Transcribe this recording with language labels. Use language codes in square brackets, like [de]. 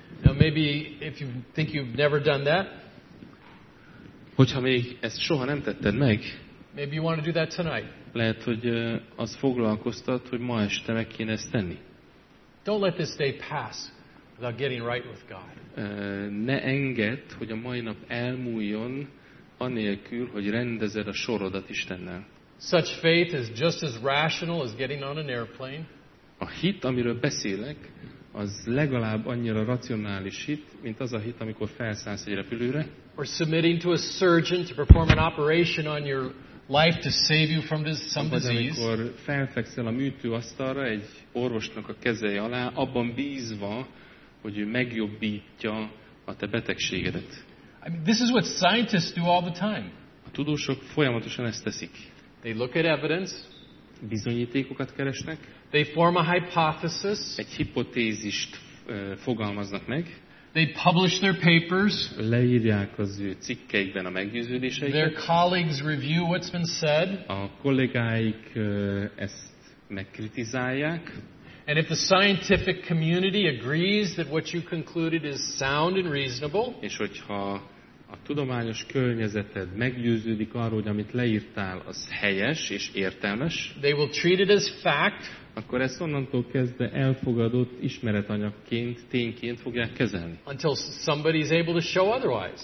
[en] Now maybe if you think you've never done that, [hu] hogyha még ezt soha nem tetted meg, [en] maybe you want to do that tonight. [hu] Lehet, hogy az foglalkoztat, hogy ma este meg kéne ezt tenni. [en] Don't let this day pass without getting right with God. [hu] Ne engedd, hogy a mai nap elmúljon anélkül, hogy rendezed a sorodat Istennel. [en] Such faith is just as rational as getting on an airplane. [hu] A hit, amiről beszélek, az legalább annyira racionális hit, mint az a hit, amikor felszállsz egy repülőre. [en] Or submitting to a surgeon to perform an operation on your life to save you from this some disease. [hu] Amikor felfekszel a műtőasztalra egy orvosnak a kezei alá, abban bízva, hogy ő megjobbítja a te betegségedet. [en] I mean, this is what scientists do all the time. [hu] A tudósok folyamatosan ezt teszik. [en] They look at evidence. [hu] Bizonyítékokat keresnek. [en] They form a hypothesis. [hu] Egy hipotézist fogalmaznak meg. [en] They publish their papers. [hu] Leírják az ő cikkeikben a meggyőződéseiket. [en] Their colleagues review what's been said. [hu] A kollégáik ezt megkritizálják. [en] And if the scientific community agrees that what you concluded is sound and reasonable, [hu] és hogyha a tudományos környezeted meggyőződik arról, hogy amit leírtál, az helyes és értelmes, [en] they will treat it as fact. [hu] Akkor ezt onnantól kezdve elfogadott ismeretanyagként, tényként fogják kezelni. [en] Until somebody is able to show otherwise.